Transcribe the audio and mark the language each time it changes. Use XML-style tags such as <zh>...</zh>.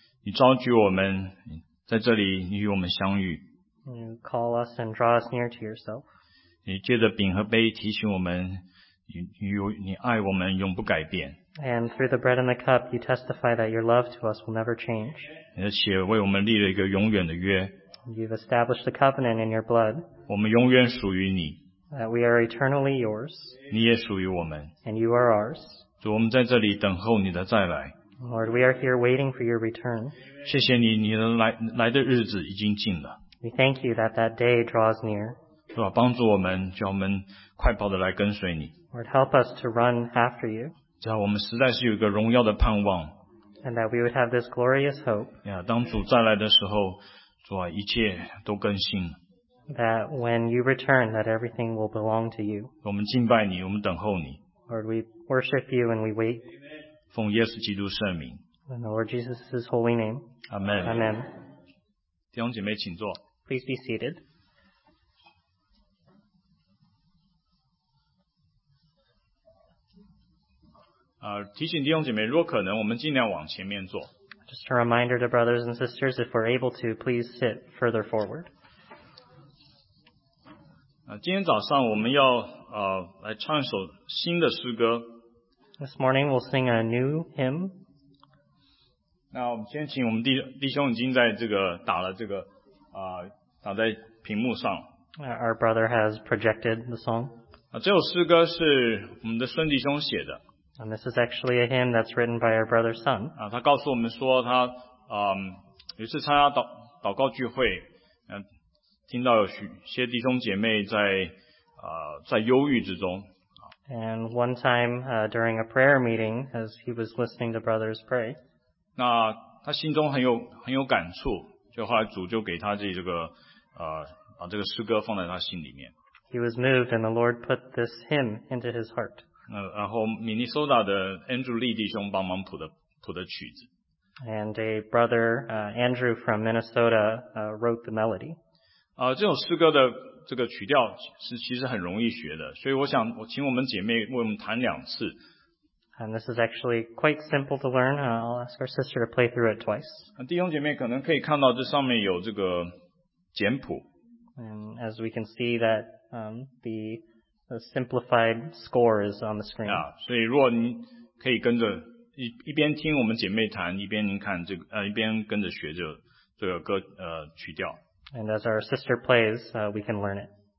<zh>你召聚我们，在这里你与我们相遇。</zh> <en>You call us and draw us near to yourself.</en> <zh>你借着饼和杯提醒我们，你爱我们永不改变。</zh> <en>And through the bread and the cup, you testify that your love to us will never change.</en> <zh>而且为我们立了一个永远的约。</zh> <en>You've established the covenant in your blood.</en> <zh>我们永远属于你。</zh> <en>That we are eternally yours.</en> <zh>你也属于我们。</zh> <en>And you are ours.</en> <zh>主，我们在这里等候你的再来。</zh> <en>Lord, we are here waiting for your return.</en> <zh>谢谢你，你的来的日子已经近了。</zh> <en>We thank you that that day draws near.</en> <zh>主啊，帮助我们，叫我们快跑的来跟随你。</zh> <en>Lord, help us to run after you.</en> <zh>叫我们实在是有一个荣耀的盼望。</zh> <en>And that we would have this glorious hope.</en> <zh>呀，当主再来的时候，主啊，一切都更新。</zh> <en>That when you return, that everything will belong to you.</en> <zh>我们敬拜你，我们等候你。</zh> <en>Lord, we worship you and we wait.</en> <zh>奉耶稣基督圣名。</zh> <en>In the Lord Jesus' holy name. Amen. Amen.</en> <zh>弟兄姐妹请坐。</zh> <en>Please be seated.</en> <zh>提醒弟兄姐妹，如果可能，我们尽量往前面坐。</zh> <en>Just a reminder to brothers and sisters, if we're able to, please sit further forward.</en> <zh>今天早上我们要来唱一首新的诗歌。</zh> <en>This morning we'll sing a new hymn.</en> <zh>那我们先请我们弟兄已经在这个打了这个打在屏幕上。</zh> <en>Our brother has projected the song.</en> <zh>这首诗歌是我们的孙弟兄写的。</zh> <en>And this is actually a hymn that's written by our brother's son.</en> <zh>他告诉我们说他有一次参加祷告聚会。听到有些弟兄姐妹在忧郁之中。</zh> <en>And one time, during a prayer meeting, as he was listening to brothers pray.</en> <zh>那他心中很有感触，就后来主就给他这个把这个诗歌放在他心里面。</zh> <en>He was moved and the Lord put this hymn into his heart.</en> <zh>然后Minnesota的 Andrew Lee 弟兄帮忙谱的曲子。</zh> <en>And a brother, Andrew from Minnesota, wrote the melody.</en> <zh>这首诗歌的这个曲调是其实很容易学的，所以我想我请我们姐妹为我们弹两次。</zh> <en>And this is actually quite simple to learn. I'll ask our sister to play through it twice.</en> <zh>弟兄姐妹可能可以看到这上面有这个简谱。</zh> <en>And as we can see that the simplified score is on the screen.</en> <zh>所以如果您可以跟着一边听我们姐妹弹，一边您看这个一边跟着学这个歌曲调。</zh> <en>And as our sister plays, we can learn it.</en>